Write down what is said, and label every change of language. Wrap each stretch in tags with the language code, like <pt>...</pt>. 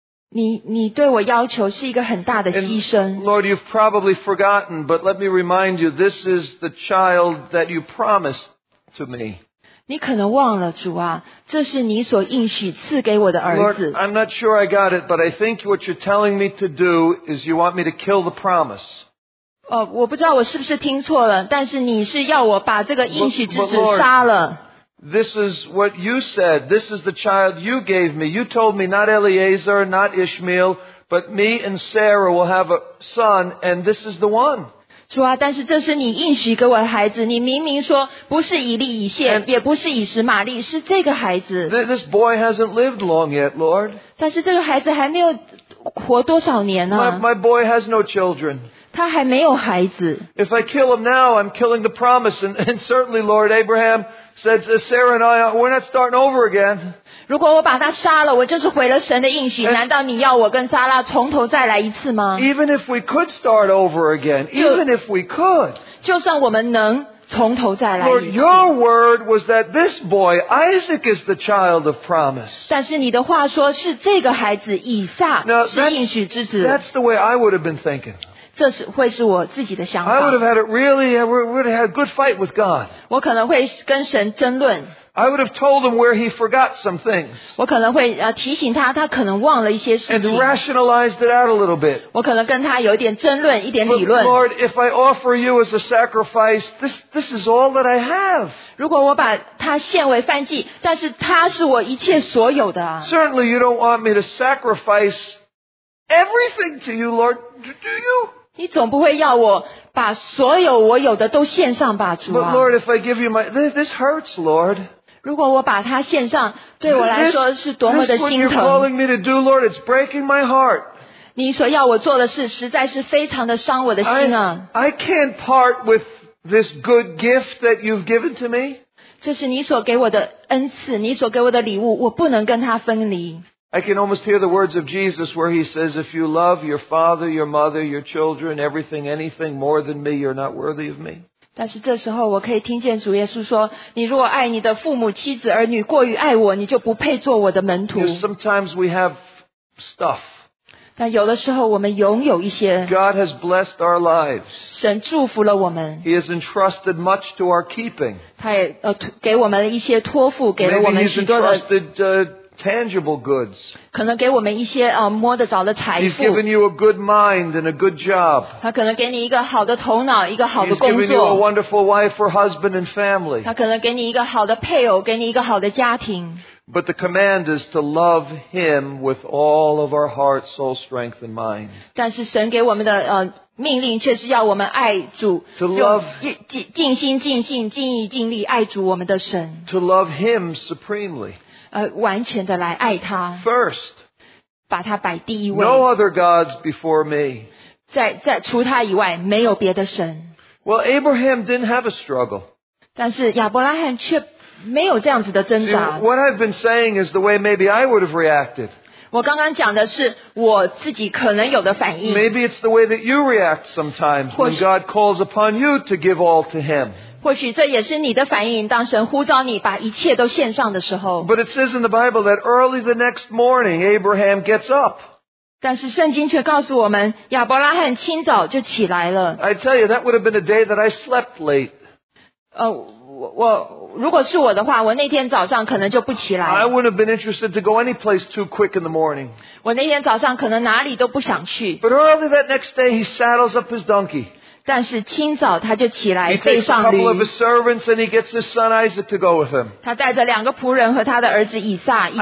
<zh>你对我要求是一个很大的牺牲。</zh> <en>Lord, you've probably forgotten, but let me remind you, this is the child that you promised to me.</en> <zh>你可能忘了，主啊，这是你所应许赐给我的儿子。</zh> <en>Lord, I'm not sure I got it, but I think what you're telling me to do is you want me to kill the promise.</en> <zh>哦，我不知道我是不是听错了，但是你是要我把这个应许之子杀了。</zh> <en>This is what you said. This is the child you gave me. You told me not Eliezer, not Ishmael, but me and Sarah will have a son, and this is the one.</en> <zh>主啊，但是这是你应许给我的孩子。你明明说不是以利以谢，也不是以实玛利，是这个孩子。</zh> <en>This boy hasn't lived long yet, Lord.</en> <zh>但是这个孩子还没有活多少年呢、啊。</zh> <en>My boy has no children.</en> <zh>他还没有孩子。</zh> <en>If I kill him now, I'm killing the promise. And certainly, Lord Abraham said, Sarah and I, we're not starting over again.</en> <zh>如果我把他杀了，我就是毁了神的应许。难道你要我跟撒拉从头再来一次吗？</zh> <en>Even if we could start over again, even if we could,</en> <zh>就算我们能从头再来一次。</zh> <en>Lord, your word was that this boy, Isaac, is the child of promise.</en> <zh>但是你的话说是这个孩子以撒是应许之子。</zh> <en>That's the way I would have been thinking.</en> <zh>这是会是我自己的想法。</zh> <en>I would have had a really, would have had a good fight with God.</en> <zh>我可能会跟神争论。</zh> <en>I would have told him where he forgot some things.</en> <zh>我可能会提醒他，他可能忘了一些事情。</zh> <en>And rationalized it out a little bit.</en> <zh>我可能跟他有一点争论，一点理论。</zh> <en>But Lord, if I offer you as a sacrifice, this is all that I have.</en> <zh>如果我把他献为燔祭，但是他是我一切所有的。</zh> <en>Certainly, you don't want me to sacrifice. Everything to you, Lord, do you?</en> <zh>你总不会要我把所有我有的都献上吧，主啊。</zh> <en>But Lord, if I give you my, this hurts, Lord.</en> <zh>如果我把它献上，对我来说是多么的心疼。</zh> <en>This is what you're calling me to do, Lord. It's breaking my heart.</en> <zh>你所要我做的事实在是非常的伤我的心啊。</zh> <en>I can't part with this good gift that you've given to me.</en> <zh>这是你所给我的恩赐，你所给我的礼物，我不能跟它分离。</zh> <en>I can almost hear the words of Jesus where he says, if you love your father, your mother, your children, everything, anything more than me, you're not worthy of me.</en> <zh>但是这时候我可以听见主耶稣说，你如果爱你的父母、妻子、儿女过于爱我，你就不配做我的门徒。</zh> <en>Because sometimes we have stuff.</en> <zh>但有的时候我们拥有一些。</zh> <en>God has blessed our lives.</en> <zh>神祝福了我们。</zh> <en>He has entrusted much to our keeping.</en> <zh>他也给我们了一些托付，给了我们许多的。</zh> <en>Maybe he's entrusted, tangible goods.</en> <zh>可能给我们一些摸得着的财富。</zh> <en>He's given you a good mind and a good job.</en> <zh>他可能给你一个好的头脑，一个好的工作。</zh> <en>He's given you a wonderful wife or husband and family.</en> <zh>他可能给你一个好的配偶，给你一个好的家庭。</zh> <en>But the command is to love him with all of our heart, soul, strength, and mind.</en> <zh>但是神给我们的命令却是要我们爱主。</zh> <en>To love</en> <zh>尽心尽性尽意尽力爱主我们的神。</zh> <en>To love him supremely.</en> <zh>完全的来爱他</zh> <en>First,</en> <zh>把他摆第一位</zh> <en>No other gods before me</en> <zh>在除他以外没有别的神</zh> <en>Well, Abraham didn't have a struggle</en> <zh>但是亚伯拉罕却没有这样子的挣扎</zh> <en>See, What I've been saying is the way maybe I would have reacted</en> <zh>我刚刚讲的是我自己可能有的反应</zh> <en>Maybe it's the way that you react sometimes When God calls upon you to give all to him</en> <zh>或许这也是你的反应，当神呼召你把一切都献上的时候。</zh> <en>But it says in the Bible that early the next morning Abraham gets up.</en> <zh>但是圣经却告诉我们，亚伯拉罕清早就起来了。</zh> <en>I tell you that would have been a day that I slept late.</en> <zh>我如果是我的话，我那天早上可能就不起来。</zh> <en>I wouldn't have been interested to go any place too quick in the morning.</en> <zh>我那天早上可能哪里都不想去。</zh> <en>But early that next day he saddles up his donkey.</en> <zh>但是清早他就起来背上驴。</zh> <en>He takes a couple of his servants and he gets his son Isaac to go with him.</en> <zh>他带着两个仆人和他的儿子以撒一起走。</zh>